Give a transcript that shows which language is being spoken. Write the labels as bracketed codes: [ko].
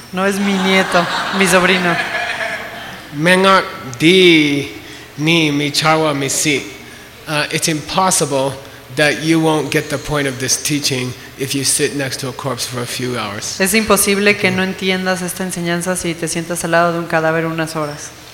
[es] No es mi nieto, mi sobrino. [bo] Mengak di ni mi chawa mi si. [en] It's impossible that you won't get the point of this teaching if you sit next to a corpse for a few hours. [es] Es imposible que no entiendas esta enseñanza si te sientas al lado de un cadáver unas horas.